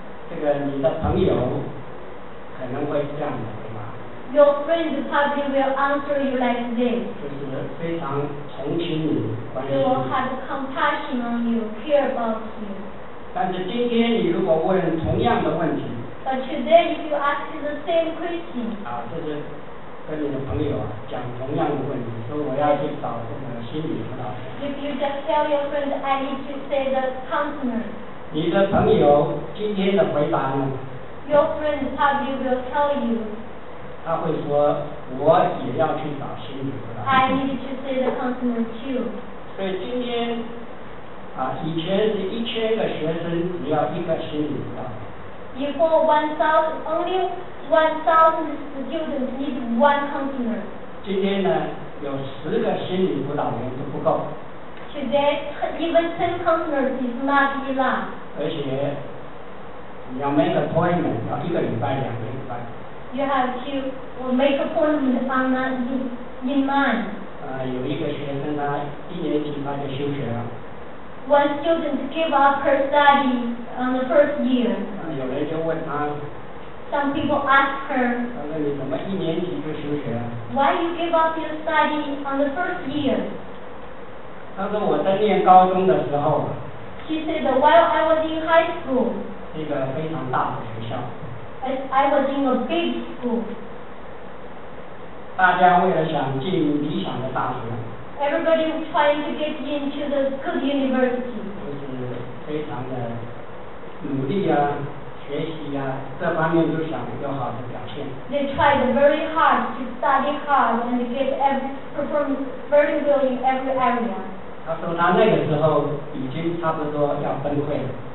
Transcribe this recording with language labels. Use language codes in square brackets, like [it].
[zh] 这个你的朋友可能会这样的吗 [en] Your friend probably will answer you like this [zh] 就是非常同情你关心 [en] They will have compassion on you, care about you [zh] 但是今天你如果问同样的问题 [en] But today if you ask the same question [zh] 啊，这是跟你的朋友啊讲同样的问题，说我要去找这个心理辅导。 [en] If you just tell your friend I need to see the counselor. [zh] 你的朋友今天的回答呢 [en] ？Your friend probably will tell you. [zh] 他会说我也要去找心理辅导。 [en] I need to see the counselor too. [zh] 所以今天啊，以前是一千个学生只要一个心理辅导。 [en] Before 1,000, only 1,000 students need one counselor. [zh] 今天呢，有十个心理辅导员都不够。 [en] Today, even 10 counselors is not enough. [zh] 而且，你要 [en] make appointment [zh] 要一个礼拜、两个礼拜。 [en] You have to make appointment on in mind. [zh] 有一个学生呢，一年级他就休学了。 [en] One student gave up her study on the first year. [zh] 有人就问他。 [en] Some people ask her. [zh] 他说你怎么一年级就休学 [en] ？Why you give up your study on the first year? [zh] 他说我在念高中的时候。 [en] She said while I was in high school. [zh] 一个非常大的学校。 [en] I was in a big school. [zh] 大家为了想进理想的大学。 [en] Everybody was trying to get into the good university. [zh] 就是非常的努力啊，学习啊，这方面都想有好的表现。 [en] They tried very hard to study hard and get perform very well in every area. [zh] 他说他那个时候已经差不多要崩溃了。